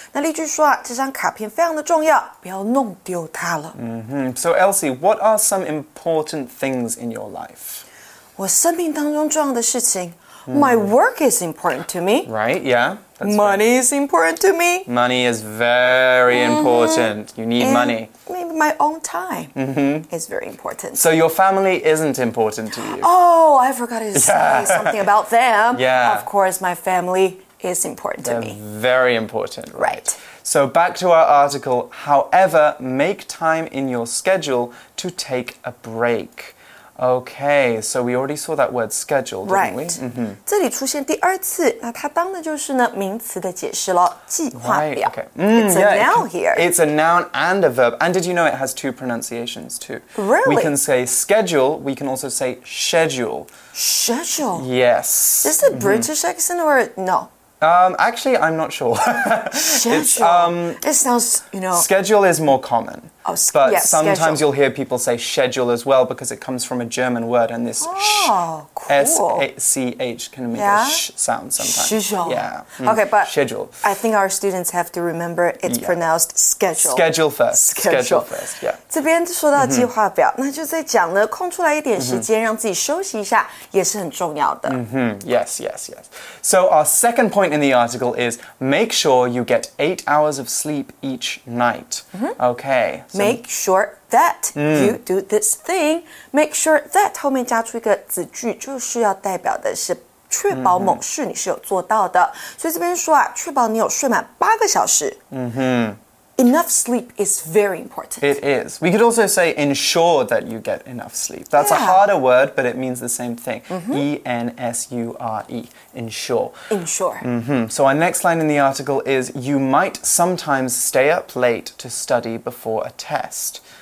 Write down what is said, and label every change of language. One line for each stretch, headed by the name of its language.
Chinese: 那例句说啊，这张卡片非常的重要，不要弄丢它了。
English: So Elsie, what are some important things in your life?
Chinese: 我生命当中重要的事情。
English: My work is important to me. Right, yeah. Money is important to me. Money is very important. You need money. Maybe my own time is very important. So your family isn't important to you. Oh, I forgot to say something about them. Yeah. Of course, my family is important to me. They're very important. Right. So back to our article. However, make time in your schedule to take a break. Okay, so we already saw that word schedule, didn't right. we? Right.
Chinese: 这里出现第二次，那它当的就是呢名词的解释了，计划表。
English: Right, okay. It's a noun here. It's a noun and a verb. And did you know it has two pronunciations too? Really? We can say schedule, we can also say schedule. Schedule? Yes. Is it British accent or no? Actually, I'm not sure. Schedule. It sounds, you know... Schedule is more common. Oh, schedule. But yes, sometimes schedule. You'll hear people say schedule as well because it comes from a German word and this sh can make a sh sound sometimes. Schedule. Yeah. Okay, but... Schedule. I think our students have to remember it's pronounced schedule. Schedule first. Schedule first, yeah.
Chinese: 这边说到计划表，那就在讲了空出来一点时间让自己休息一下也是很重要的。
English: Yes, yes, yes. So our second point in the article is make sure you get 8 hours of sleep each night. Okay. So, make sure that you do this thing. Make sure that
Chinese: 后面加出一个子句就是要代表的是确保某事你是有做到的。所以这边说啊，确保你有睡满八个小时。
English: Enough sleep is very important. It is. We could also say ensure that you get enough sleep. That's a harder word, but it means the same thing. Ensure. Ensure. Ensure. So our next line in the article is, you might sometimes stay up late to study before a test.